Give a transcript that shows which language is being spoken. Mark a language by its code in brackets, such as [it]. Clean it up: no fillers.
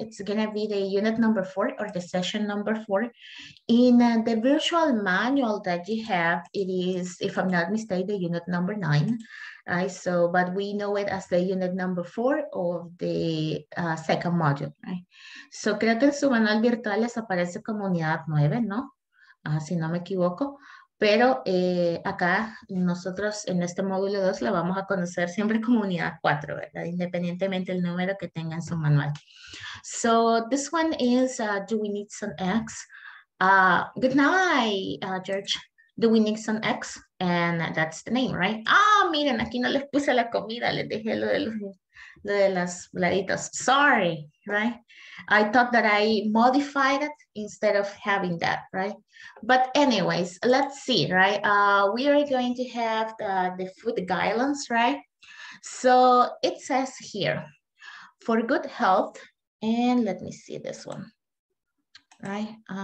[en] It's going to be the unit number 4 or the session number 4. In the virtual manual that you have, it is, if I'm not mistaken, the unit number 9, right? So, but we know it as the unit number 4 of the second module, right? [es] So, creo que en su manual virtual les aparece como unidad 9, ¿no? Si no me equivoco. Pero acá nosotros en este módulo 2 la vamos a conocer siempre como unidad 4, ¿verdad? Independientemente del número que tenga en su manual. [en] So this one is, do we need some eggs? Good night, George. Do we need some eggs? And that's the name, right? [es] Ah, miren, aquí no les puse la comida, les dejé lo de las bladitas. [en] Sorry, right? I thought that I modified it instead of having that, right? But anyways, let's see, right? We are going to have the food guidelines, right? So it says here, for good health, and let me see this one, right?